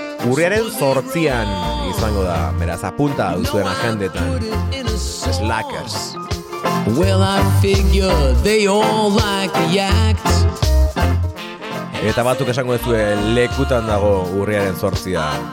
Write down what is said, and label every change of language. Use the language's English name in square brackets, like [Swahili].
[Basque] Urriaren 8an izango da, beraz apunta duzuen agendetan. [English] The Slackers. Well, I figure they all like the act. [Basque] Eta batzuk esango duzue lekutan dago urriaren 8a.